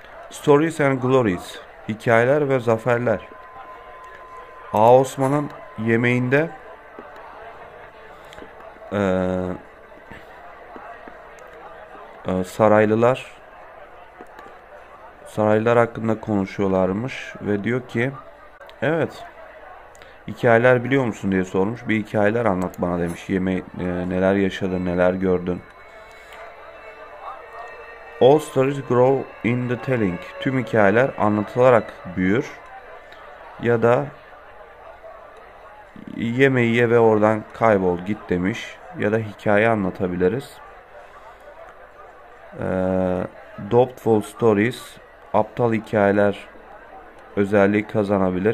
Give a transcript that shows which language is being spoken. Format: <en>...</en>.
<en>Stories and Glories.</en> <tr>Hikayeler ve zaferler. Ağa Osman'ın yemeğinde saraylılar hakkında konuşuyorlarmış ve diyor ki, evet, hikayeler biliyor musun diye sormuş. Bir hikayeler anlat bana demiş. Neler yaşadın, neler gördün.</tr> <en>All stories grow in the telling.</en> <tr>Tüm hikayeler anlatılarak büyür. Ya da yemeği ye ve oradan kaybol git demiş. Ya da hikaye anlatabiliriz.</tr> <en>Doubtful stories,</en> <tr>aptal hikayeler özelliği kazanabilir.</tr>